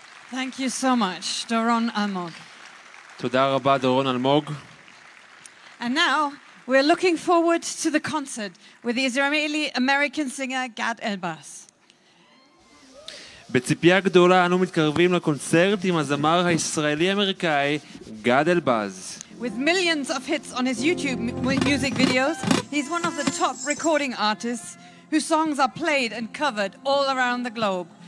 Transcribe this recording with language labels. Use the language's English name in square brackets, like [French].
[English] Thank you so much, Doron Almog. [Hebrew] Toda rabba, Doron Almog. [English] And now, we're looking forward to the concert with the Israeli-American singer Gad Elbas. [Hebrew] בציפייה גדולה אנו מתקרבים לקונצרט עם הזמר הישראלי-אמריקאי גד אלבז. [English] With millions of hits on his YouTube music videos, he's one of the top recording artists whose songs are played and covered all around the globe.